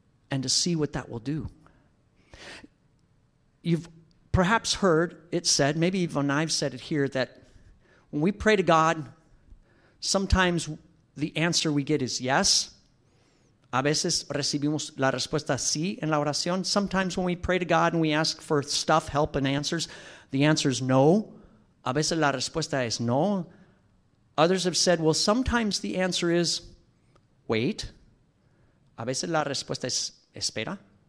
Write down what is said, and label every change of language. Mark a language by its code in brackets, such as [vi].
[en] And to see what that will do. You've perhaps heard it said, maybe even I've said it here, that when we pray to God, sometimes the answer we get is yes. [es] A veces recibimos la respuesta sí en la oración. [en] Sometimes when we pray to God and we ask for stuff, help, and answers, the answer is no. [es] A veces la respuesta es no. [en] Others have said, well, sometimes the answer is wait. [es] A veces la respuesta es espera.